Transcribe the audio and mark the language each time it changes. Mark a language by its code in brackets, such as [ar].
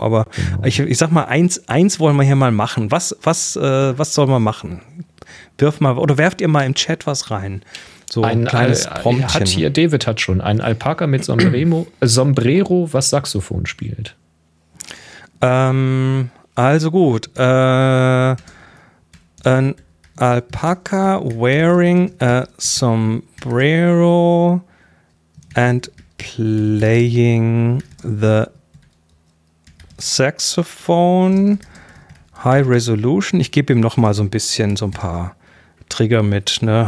[de] Aber ich sag mal, eins wollen wir hier mal machen. Was soll man machen? Werft ihr mal im Chat was rein? So ein kleines Promptchen. David hat schon einen Alpaka mit Sombrero, was Saxophon spielt. Also gut. [en] Ein Alpaka wearing a Sombrero and playing the Saxophone. High Resolution. [de] Ich gebe ihm noch mal so ein bisschen, so ein paar Trigger mit, ne?